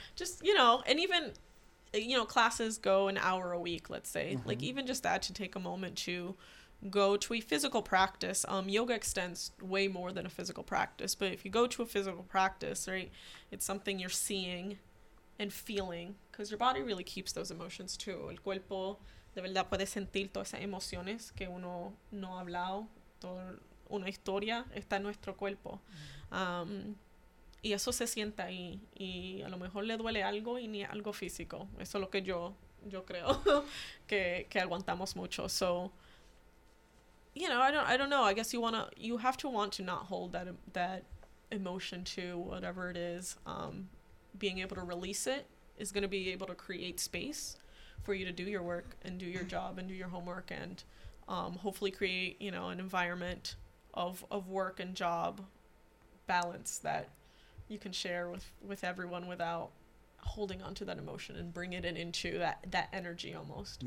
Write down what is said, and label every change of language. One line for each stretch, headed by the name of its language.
English: Just, you know, and even... You know, classes go an hour a week, let's say. Mm-hmm. Like, even just that, to take a moment to go to a physical practice. Yoga extends way more than a physical practice. But if you go to a physical practice, right, it's something you're seeing and feeling. Because your body really keeps those emotions, too.
Spanish: El cuerpo, de verdad, puede sentir todas esas emociones que uno no ha hablado. Toda una historia está en nuestro cuerpo. Y eso se sienta ahí, y a lo mejor le duele algo y ni algo físico. Eso es lo que yo creo que aguantamos mucho.
English: So, you know, I don't know. I guess you have to want to not hold that emotion to whatever it is. Being able to release it is going to be able to create space for you to do your work and do your job and do your homework and hopefully create, you know, an environment of work and job balance that you can share with everyone without holding on to that emotion and bring it into that energy almost.